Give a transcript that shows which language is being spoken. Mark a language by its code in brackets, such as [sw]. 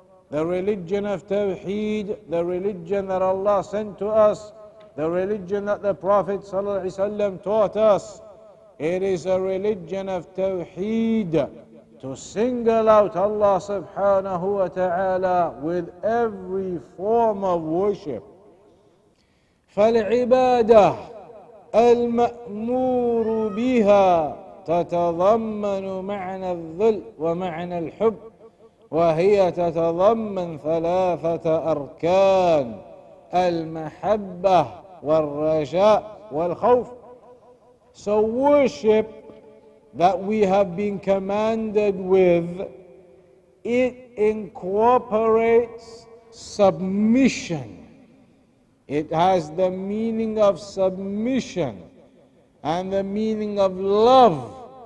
[en] The religion of Tawheed, the religion that Allah sent to us, the religion that the Prophet ﷺ taught us, it is a religion of Tawheed, to single out Allah subhanahu wa ta'ala with every form of worship. [ar] فَالْعِبَادَةُ الْمَأْمُورُ بِهَا تَتَضَمَّنُ مَعْنَى الذُّلِّ وَمَعْنَى الْحُبِّ وهي تتضمن ثلاثة أركان: المحبة والرجاء والخوف. [en] So worship that we have been commanded with, it incorporates submission. It has the meaning of submission and the meaning of love.